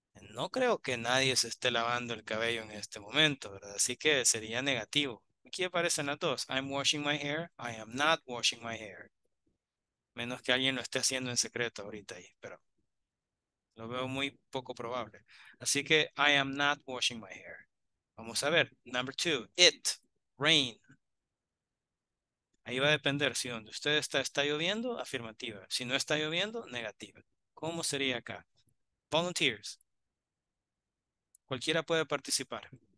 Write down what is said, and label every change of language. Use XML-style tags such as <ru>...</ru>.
<es>No creo que nadie se esté lavando el cabello en este momento, ¿verdad? Así que sería negativo. Aquí aparecen las dos.</es> <en>I'm washing my hair. I am not washing my hair.</en> <es>Menos que alguien lo esté haciendo en secreto ahorita ahí, pero lo veo muy poco probable. Así que,</es> <en>I am not washing my hair.</en> <es>Vamos a ver.</es> <en>Number two, it, rain.</en> <es>Ahí va a depender si donde usted está lloviendo, afirmativa. Si no está lloviendo, negativa. ¿Cómo sería acá? Volunteers. Cualquiera puede participar.</es>